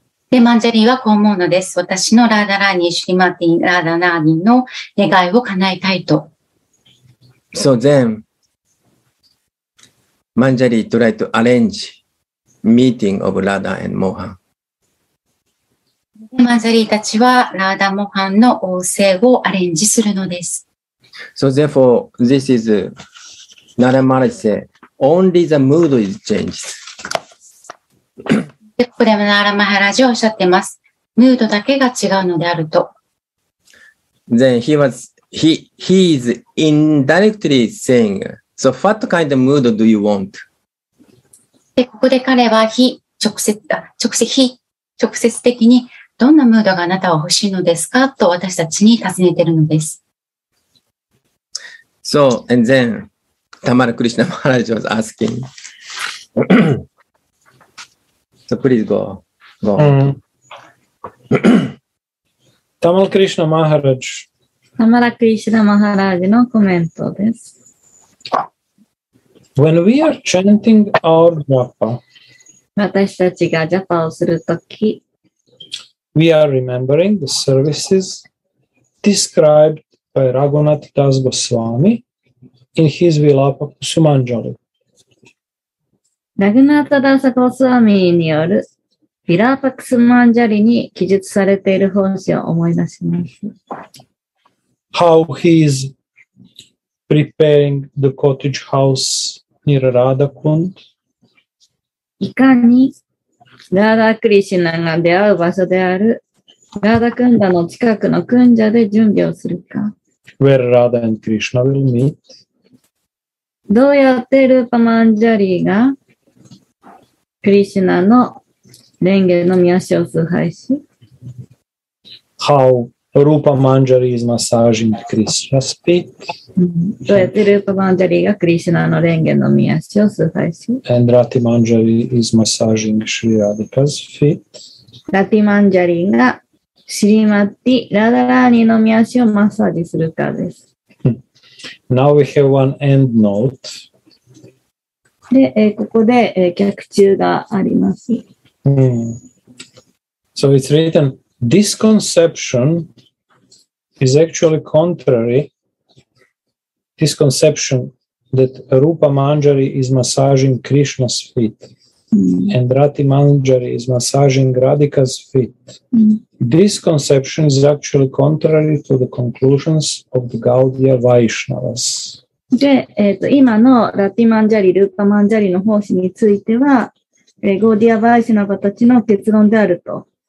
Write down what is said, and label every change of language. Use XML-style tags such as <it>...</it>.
<ja>で、マンジャリはこう思うのです。私のラダラニ、シュリマティ、ラダラニの願いを叶えたいと。</ja> <en>So, then, マンジャリ tried to arrange meeting of Radha and Mohan.</en> <ja>マンジャリーたちはラーダモハンの王政をアレンジするのです。</ja> <en>So therefore, this is Naramaharaja only the mood is changed.</en> <ja>で、ここでNaramaharajaはおっしゃってます。ムードだけが違うのであると。</ja> <en>Then he is indirectly saying, so what kind of mood do you want?</en> <ja>で、ここで彼は直接的にどんなムードがあなたは欲しいのですかと私たちに尋ねているのです。</ja> <en>So, and then, Tamara Krishna Maharaj was asking. So, please go. Tamara Krishna Maharaj.</en> <ja>Tamara Krishna Maharaj のコメントです。</ja> <en>When we are chanting our japa,</en> <ja>私たちがジャパをするとき、</ja> <en>We are remembering the services described by Raghunath Das Goswami in his Vilapa Kusumanjali.</en> <ja>Raghunath Das Goswami による Vilapa Kusumanjali に記述されている奉仕を思い出します。</ja> <en>How he is preparing the cottage house near Radha Kund.</en> <ja>いかにラーダ・クリシュナが出会う場所であるラーダ・クンダの近くのクンジャで準備をするか。</ja> <en>Where Radha and Krishna will meet.</en> <ja>どうやってルーパ・マンジャリーがクリシュナの蓮華の御足を崇拝し。</ja> <en>How Rupa Manjari is massaging Krishna's feet.</en> <ja>どうやってルーパ・マンジャリーがクリシュナの蓮華の御足を崇拝し。</ja> <en>And Rati Manjari is massaging Sri Radhika's feet.</en> <ja>Rati Manjari がシリマッティ・ラダラーニの御足をマッサージするかです。</ja> <en>Now we have one end note.</en> <ja>で、ここで、脚注があります。</ja> <en>So it's written, this conception is actually contrary, this conception that Rupa Manjari is massaging Krishna's feet. And Rati Manjari is massaging Radhika's feet. This conception is actually contrary to the conclusions of the Gaudiya Vaishnavas.</en> <ja>で、今のラティマンジャリ、ルーパマンジャリの奉仕については、ゴーディア・ヴァイシュナバたちの結論であると。</ja>